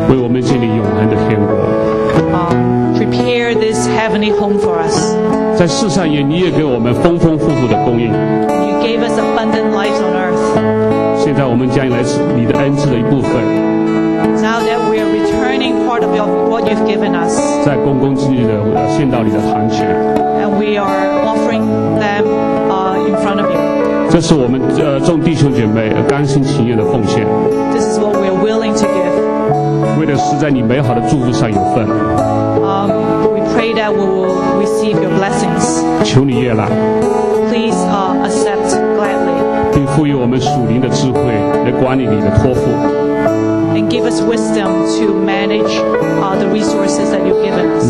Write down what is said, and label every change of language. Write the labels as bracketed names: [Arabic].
[Chinese] 为我们建立永恒的天国。 [English] Prepare this heavenly home for us. [Chinese] 在世上也你也给我们丰丰富富的供应。 [English] You gave us abundant life on earth. [Chinese] 现在我们将来是你的恩赐的一部分。 [English] Now that we are returning part of what you've given us. [Chinese] 在恭恭敬敬的献到你的堂前。 [English] And we are offering them, in front of you. [Chinese] 这是我们众弟兄姐妹甘心情愿的奉献。 [English] This is what we are willing to give. [Chinese] 为的是在你美好的祝福上有份。 [English] Pray that we will receive your blessings. [Chinese] 求你悦纳。 [English] Please accept gladly. [Chinese] 并赋予我们属灵的智慧来管理你的托付。 [English] And give us wisdom to manage the resources that you've given us.